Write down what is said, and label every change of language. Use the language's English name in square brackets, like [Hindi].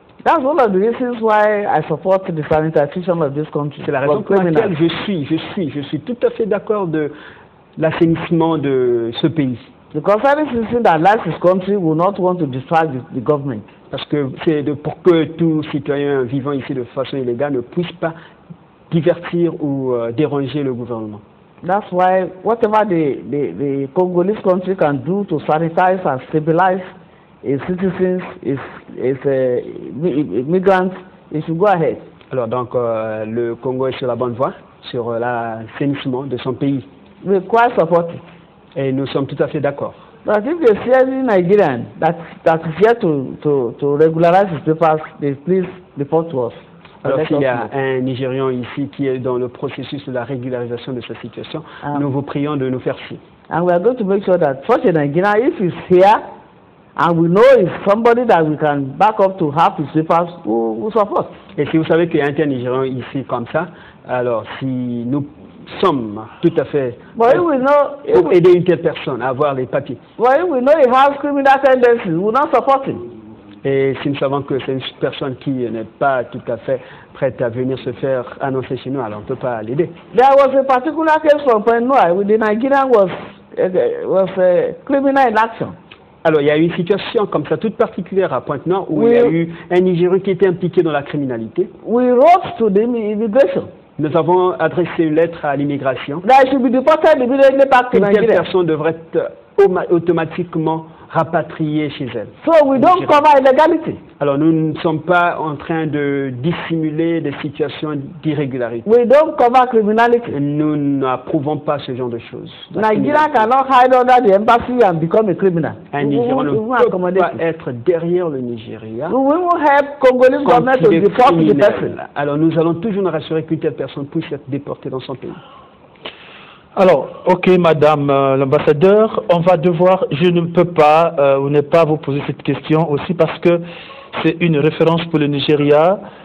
[English] That's one of the reasons why I support the sanitation of this country. [French] C'est la raison pour laquelle je suis tout à fait d'accord de l'assainissement de ce pays. [English] The conservative citizen that likes his country will not want to distract the government. [French] Parce que c'est de pour que tout citoyen vivant ici de façon illégale ne puisse pas divertir ou déranger le gouvernement. [English] That's why whatever the Congolese country can do to sanitize and stabilize its citizens, its migrants, it should go ahead. [French] Alors donc le Congo est sur la bonne voie sur l'assainissement de son pays. [English] We quite support it. [French] Et nous sommes tout à fait d'accord. [English] But if they see any Nigerian that is yet to regularize his papers, they please report to us. [French] Alors s'il y a un Nigérian ici qui est dans le processus de la régularisation de sa situation, nous vous prions de nous faire signe. [English] And we are going to make sure that such a Nigerian, if he's here, and we know it's somebody that we can back up to have his papers, we support. [French] Et si vous savez qu'il y a un Nigérian ici comme ça, alors si nous somme, tout à fait, pour aider une telle personne à avoir les papiers. [English] Well, if we know he has criminal tendencies, we're not supporting. [French] Et si nous savons que c'est une personne qui n'est pas tout à fait prête à venir se faire annoncer chez nous, alors on ne peut pas l'aider. [English] There was a particular case from Point Noir, where the Nigerian was a criminal in action. [French] Alors, il y a eu une situation comme ça, toute particulière à Pointe Noire, où il y a eu un Nigérian qui était impliqué dans la criminalité. [English] We wrote to the immigration. [French] Nous avons adressé une lettre à l'immigration. Une personne devrait être automatiquement rapatriée chez elle. [English] So we don't cover illegality. [French] Alors nous ne sommes pas en train de dissimuler des situations d'irrégularité. [English] We don't cover criminality. [French] Nous n'approuvons pas ce genre de choses. [English] Nigeria cannot hide under the embassy and become a criminal. [French] Un Nigérian ne peut pas être derrière le Nigeria. [English] We will help Congolese government to deport the person. [French] Alors nous allons toujours nous rassurer qu'une telle personne puisse être déportée dans son pays. Alors, ok, Madame l'ambassadeur, on va devoir, je ne peux pas ou ne pas vous poser cette question aussi parce que c'est une référence pour le Nigeria.